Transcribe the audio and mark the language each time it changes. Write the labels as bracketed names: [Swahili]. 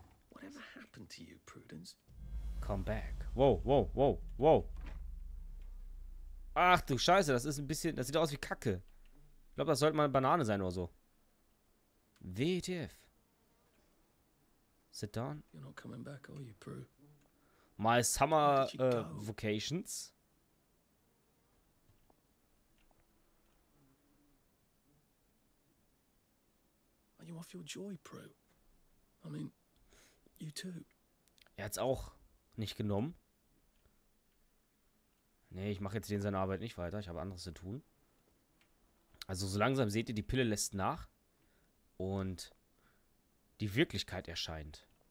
[English] Whatever happened to you, Prudence? Come back. Wow, wow, wow, wow. [German] Ach du Scheiße, das ist ein bisschen... Das sieht aus wie Kacke. Ich glaube, das sollte mal eine Banane sein oder so. [English] WTF. Sit down. You're not coming back, are you, Prue? My summer vacations. Are you off your joy, Prue? I mean, you too. [German] Er hat's auch nicht genommen. Nee, ich mache jetzt den seine Arbeit nicht weiter. Ich habe anderes zu tun. Also so langsam seht ihr, die Pille lässt nach. Und die Wirklichkeit erscheint.